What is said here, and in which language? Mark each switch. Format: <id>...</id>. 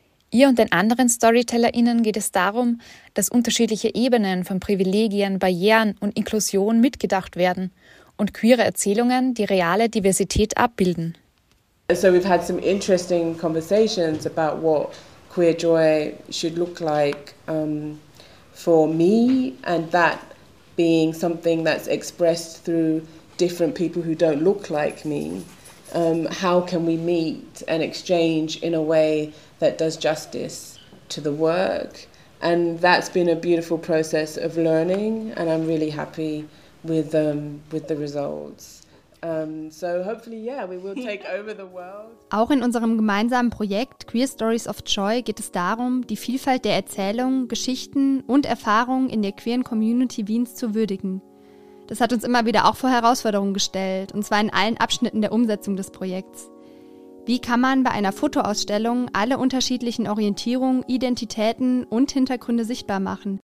<de>Ihr und den anderen StorytellerInnen geht es darum, dass unterschiedliche Ebenen von Privilegien, Barrieren und Inklusion mitgedacht werden und queere Erzählungen die reale Diversität abbilden.</de> <en>So we've had some interesting conversations about what queer joy should look like for me, and that being something that's expressed through different people who don't look like me. How can we meet and exchange in a way that does justice to the work? And that's been a beautiful process of learning, and I'm really happy with the results. So hopefully, yeah, we will take over the world.</en> <de>Auch in unserem gemeinsamen Projekt Queer Stories of Joy geht es darum, die Vielfalt der Erzählungen, Geschichten und Erfahrungen in der queeren Community Wiens zu würdigen. Das hat uns immer wieder auch vor Herausforderungen gestellt, und zwar in allen Abschnitten der Umsetzung des Projekts. Wie kann man bei einer Fotoausstellung alle unterschiedlichen Orientierungen, Identitäten und Hintergründe sichtbar machen?</de>